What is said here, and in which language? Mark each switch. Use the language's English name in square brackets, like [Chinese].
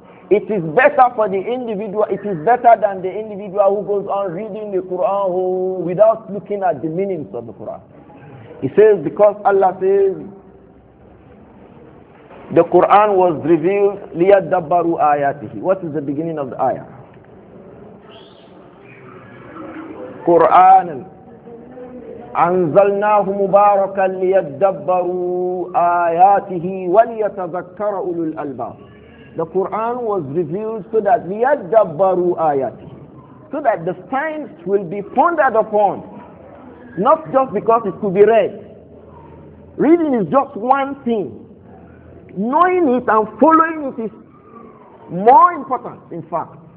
[English] It is better for the individual, it is better than the individual who goes on reading the Quran without looking at the meanings of the Quran. He says, because Allah says, the Quran was revealed, [Arabic] liyadabbaru ayatihi. [English] What is the beginning of the ayah? Quran. [Arabic] أنزلناه مباركا ليدبروا آياته وليتذكر أولو الألباب. [English] The Quran was revealed so that [Arabic] ليدبروا آياته, [English] so that the signs will be pondered upon, not just because it could be read. Reading is just one thing. Knowing it and following it is more important, in fact.